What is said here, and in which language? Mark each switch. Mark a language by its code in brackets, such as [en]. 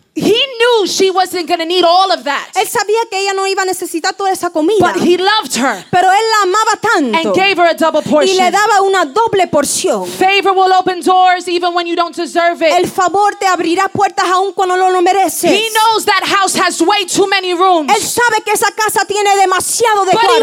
[en] He knew she wasn't going to need all of that. [es] Él sabía que ella no iba a necesitar toda esa comida. [en] But he loved her. [es] Pero él la amaba tanto. [en] And gave her a double portion. [es] Y le daba una doble porción. [en] Favor will open doors even when you don't deserve it. [es] El favor te abrirá puertas aun cuando no lo mereces. [en] He knows that house has way too many rooms. [es] Él sabe que esa casa tiene demasiado de cuartos.